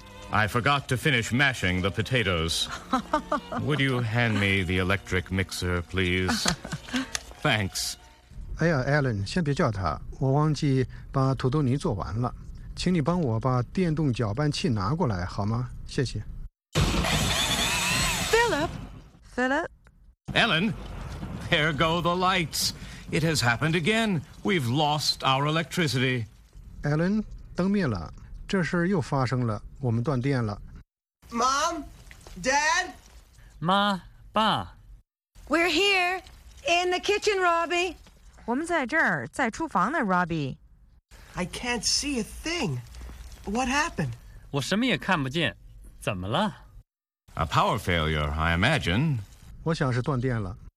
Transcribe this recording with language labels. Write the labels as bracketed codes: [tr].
[en] I forgot to finish mashing the potatoes. Would you hand me the electric mixer, please? Thanks. [zh] 哎呀 ，Ellen， 先别叫他，我忘记把土豆泥做完了，请你帮我把电动搅拌器拿过来好吗？谢谢。 [en] Philip. Ellen, there go the lights. It has happened again. We've lost our electricity. [zh] Ellen, 灯灭了，这事又发生了，我们断电了。 [en] Mom, Dad. [zh] 妈，爸。 [en] We're here in the kitchen, Robbie. [zh] 我们在这儿，在厨房呢 ，Robbie。 [en] I can't see a thing. What happened? [zh] 我什么也看不见，怎么了 [en] ？A power failure, I imagine. [zh] 我想是断电了。